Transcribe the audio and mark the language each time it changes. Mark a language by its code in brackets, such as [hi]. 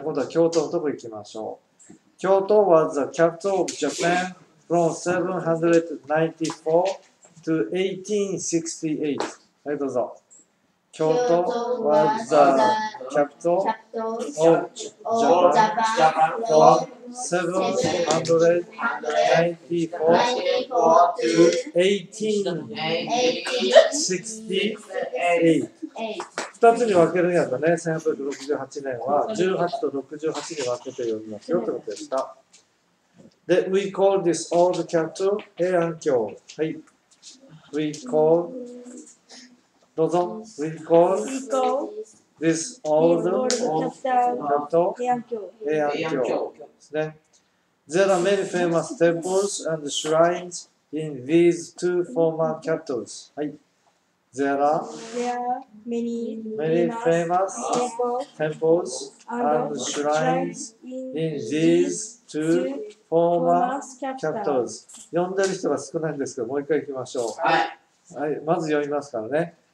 [ja] 今度は京都のところ行きましょう。 [en] 京都 was the capital of Japan from 794 to 1868. [ja] はい、どうぞ。 [en] 京都 was the capital of Japan from 794 to 1868。 [ja] 2つに分けるんやったね。1868年は18と68に分けて読みますよってことでした。 [en] で、We call this old capital 平安京。はい。 We call、どうぞ。We call this old capital 平安京 [ja] ですね。 [en] There are many famous temples and shrines in these two former capitals. はい。 There are many famous temples and shrines in these two former capitals. [ja] 読んでる人が少ないんですけど、もう一回行きましょう。はい。はい、まず読みますからね。